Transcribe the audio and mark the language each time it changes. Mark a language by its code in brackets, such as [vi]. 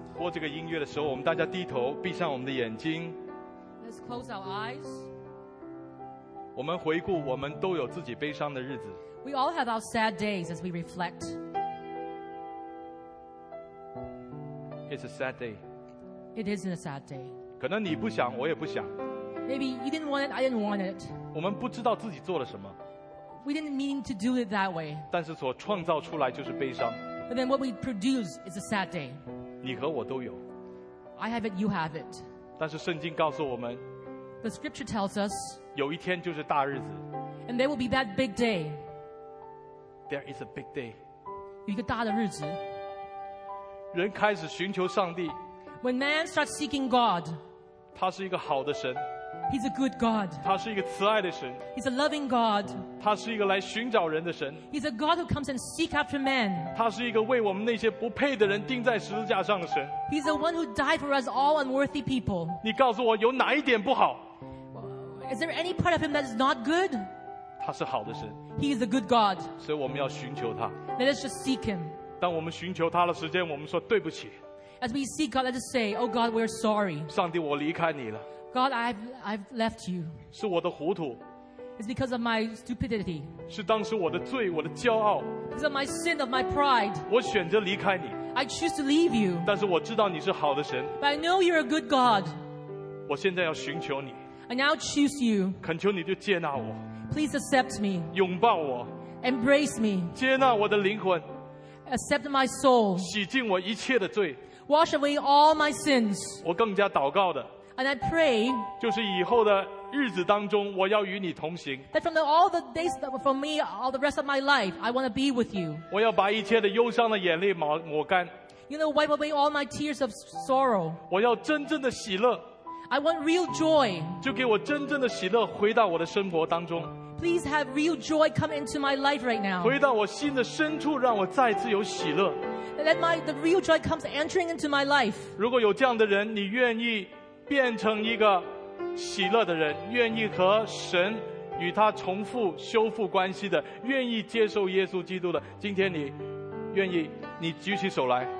[zh] 这个音乐的时候，我们大家低头，闭上我们的眼睛。 [en] Let's close our eyes. [zh] 我们回顾，我们都有自己悲伤的日子。 [en] We all have our sad days as we reflect. It's a sad day. It isn't a sad day. [zh] 可能你不想，我也不想。 [en] Maybe you didn't want it, I didn't want it. [zh] 我们不知道自己做了什么。 [en] We didn't mean to do it that way. [zh] 但是所创造出来就是悲伤。 [en] But then what we produce is a sad day. [zh] 你和我都有。 [en] I have it, you have it. [zh] 但是圣经告诉我们 [en] ，The Scripture tells us， [zh] 有一天就是大日子。 [en] And there will be that big day. There is a big day. [zh] 有一个大的日子。人开始寻求上帝。 [en] When man starts seeking God, [zh] 他是一个好的神。 [en] He's a good God. [zh] 他是一个慈爱的神。 [en] He's a loving God. [zh] 他是一个来寻找人的神。 [en] He's a God who comes and seek after man. [zh] 他是一个为我们那些不配的人钉在十字架上的神。 [en] He's the one who died for us all unworthy people. [zh] 你告诉我有哪一点不好？ [en] Is there any part of him that is not good? [zh] 他是好的神。 [en] He is a good God. [zh] 所以我们要寻求他。 [en] Let us just seek him. [zh] 当我们寻求他的时间，我们说对不起。 [en] As we seek God, let us say, Oh God, we're sorry. [zh] 上帝，我离开你了。 [en] God, I've left you. [zh] 是我的糊涂。 [en] It's because of my stupidity. [zh] 是当时我的罪，我的骄傲。 [en] Because of my sin, of my pride. [zh] 我选择离开你。 [en] I choose to leave you. [zh] 但是我知道你是好的神。 [en] But I know you're a good God. [zh] 我现在要寻求你。 [en] I now choose you. [zh] 恳求你就接纳我。 [en] Please accept me. [zh] 拥抱我。 [en] Embrace me. [zh] 接纳我的灵魂。 [en] Accept my soul. [zh] 洗净我一切的罪。 [en] Wash away all my sins. [zh] 我更加祷告的。 [en] And I pray, [zh] 就是以后的日子当中，我要与你同行。 [en] That from all the days that were for me, all the rest of my life, I want to be with you. [zh] 我要把一切的忧伤的眼泪抹干。 [en] You know, wipe away all my tears of sorrow. [zh] 我要真正的喜乐。 [en] I want real joy. [zh] 就给我真正的喜乐回到我的生活当中。 [en] Please have real joy come into my life right now. [zh] 回到我心的深处，让我再次有喜乐。 [en] Let the real joy comes entering into my life. [zh] 如果有这样的人，你愿意？变成一个喜乐的人，愿意和神与他重复修复关系的，愿意接受耶稣基督的。今天你愿意，你举起手来。